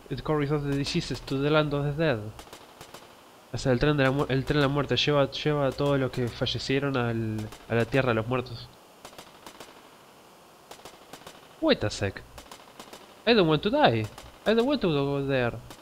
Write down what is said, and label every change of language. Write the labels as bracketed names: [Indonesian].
[English] It carries all the diseases to the land of the dead. [Spanish] Es el tren de la muerte. Lleva a todos los que fallecieron a la tierra de los muertos. [English] Wait a sec. I don't want to die. I don't want to go there.